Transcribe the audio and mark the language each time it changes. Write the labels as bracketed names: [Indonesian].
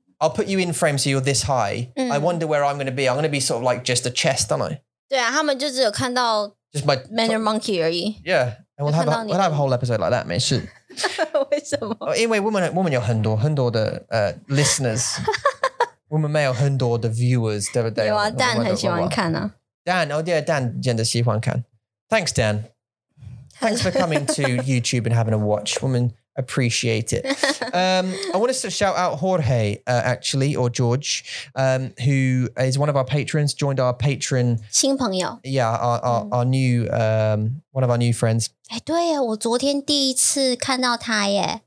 [English] I'll put you in frame, so you're this high. I wonder where I'm gonna be. I'm gonna be sort of like just a chest, aren't I? [Chinese] 对啊，他们就只有看到 [English] just my manor monkey [Chinese] 而已. [English] Yeah, and we'll have a whole episode like that, [Chinese] 没事. 为什么？因为我们有很多的 listeners. 我们没有很多的 viewers, 对不对？有啊，但很喜欢看啊。 [English] Dan, oh dear, Dan, [Chinese] 真的喜欢看. [English] Thanks, Dan. Thanks for coming to YouTube and having a watch. Women appreciate it. I want to shout out Jorge, actually, or George, who is one of our patrons, joined our patron. [Chinese] 新朋友. [English] Yeah, our new, one of our new friends. [Chinese] 哎，对，我昨天第一次看到他耶.